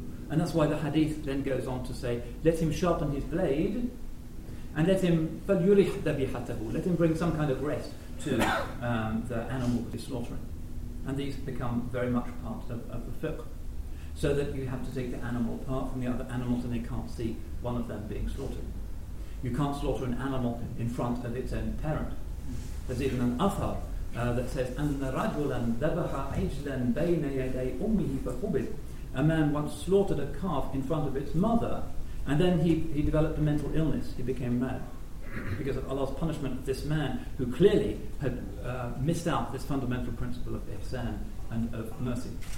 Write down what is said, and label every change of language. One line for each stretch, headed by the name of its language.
English: And that's why the hadith then goes on to say, let him sharpen his blade, and let him
Arabic: فَلْيُرِحْ دَبِحَتَهُ,
English: let him bring some kind of rest to the animal that he's slaughtering. And these become very much part of the fiqh, so that you have to take the animal apart from the other animals and they can't see one of them being slaughtered. You can't slaughter an animal in front of its own parent. There's even an athar that says,
Arabic: أَنَّ رَجُلًا ذَبَحَ عِجْلًا بَيْنَ يَدَيْ أُمِّهِ فَخُبِذْ.
English: A man once slaughtered a calf in front of its mother, and then he developed a mental illness. He became mad because of Allah's punishment of this man who clearly had missed out this fundamental principle of ihsan and of mercy.